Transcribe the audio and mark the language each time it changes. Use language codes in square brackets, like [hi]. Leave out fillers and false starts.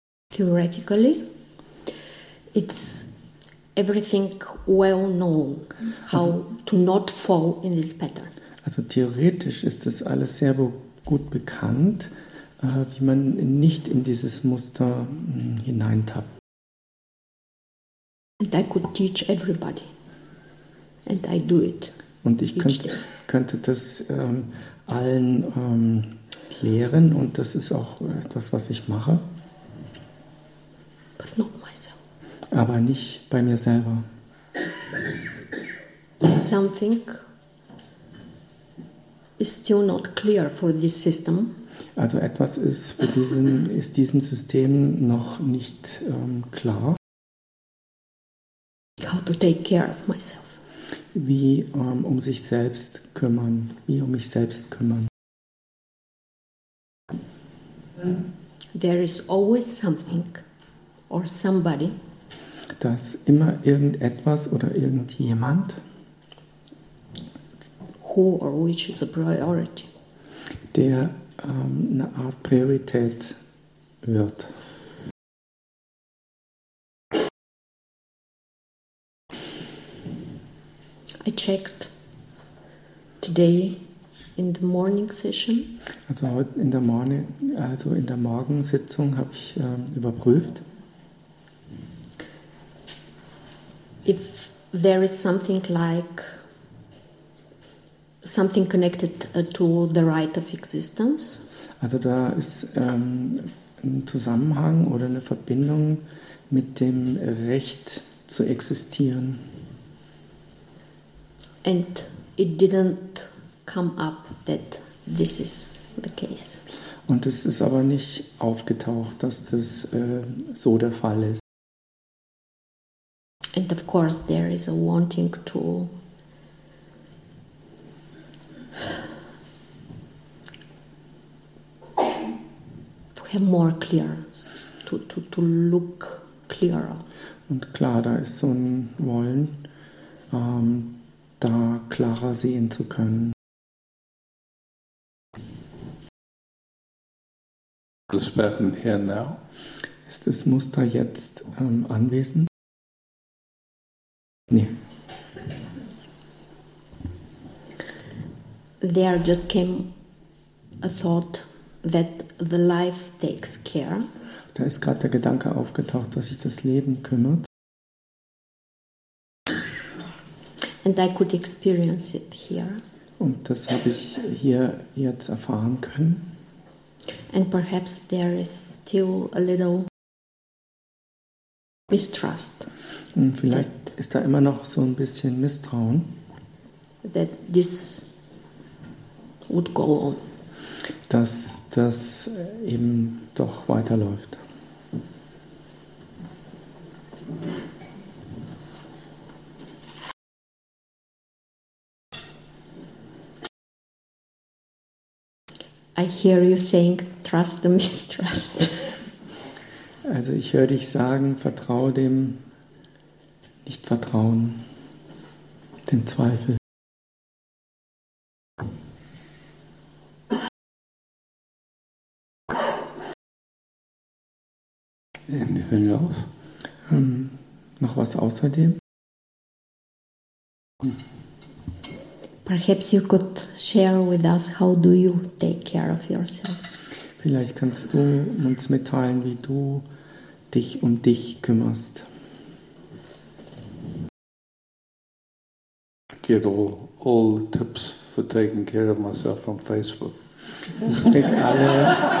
[en] Theoretically, it's everything well known how also, to not fall in this pattern. [de] Also theoretisch ist das alles sehr gut bekannt, wie man nicht in dieses Muster hineintappt. [en] And I could teach everybody. And I do it. [de] Und ich könnte das allen lehren, und das ist auch etwas, was ich mache. [en] But not myself. [de] Aber nicht bei mir selber. [en] Something is still not clear for this system. [de] Also etwas ist für diesen ist diesem System noch nicht klar. [en] How to take care of myself. [de] Wie um sich selbst kümmern, wie um mich selbst kümmern. [en] There is always something or somebody. [de] Dass immer irgendetwas oder irgendjemand. [en] Who or which is a priority. [de] Der eine Art Priorität wird. [en] I checked today in the morning session. [de] Also heute in der Morgensitzung habe ich überprüft. [en] If there is something like something connected to the right of existence. [de] Also da ist ein Zusammenhang oder eine Verbindung mit dem Recht zu existieren. [en] And it didn't come up that this is the case. [de] Und es ist aber nicht aufgetaucht, dass das so der Fall ist. [en] And of course there is a wanting to have more clearance, to look clearer. [de] Und klar, da ist so ein Wollen, da klarer sehen zu können. [en] Is pattern here now? [de] Ist das Muster jetzt anwesend? Nee. [en] There just came a thought that the life takes care. [de] Da ist gerade der Gedanke aufgetaucht, dass sich das Leben kümmert. [en] And I could experience it here. [de] Und das habe ich hier jetzt erfahren können. [en] And perhaps there is still a little mistrust. [de] Und vielleicht ist da immer noch so ein bisschen Misstrauen. [en] That this would go on. [de] Dass das eben doch weiterläuft. [en] I hear you saying, trust the mistrust. [de] Also ich höre dich sagen, vertraue dem Nicht-Vertrauen, dem Zweifel. [en] Anything else? [de] Noch was außerdem? [en] Perhaps you could share with us how do you take care of yourself? [de] Vielleicht kannst du uns mitteilen, wie du dich um dich kümmerst. [en] I get all the tips for taking care of myself from Facebook. [de] Ich krieg alle.